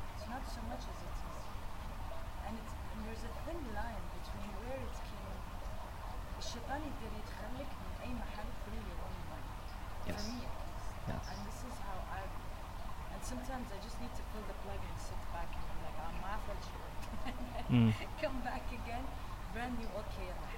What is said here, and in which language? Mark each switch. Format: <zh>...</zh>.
<en>It's not so much as it is. And there's a thin line between where it came.</en> <ar>الشيطان يقدر يتخلك من أي محل</ar> <en>for your own mind. Yes. For me, at least. Yes. And this is how I've. And sometimes I just need to pull the plug and sit back and be like, I'm not sure. Come back again, brand new, okay.</en>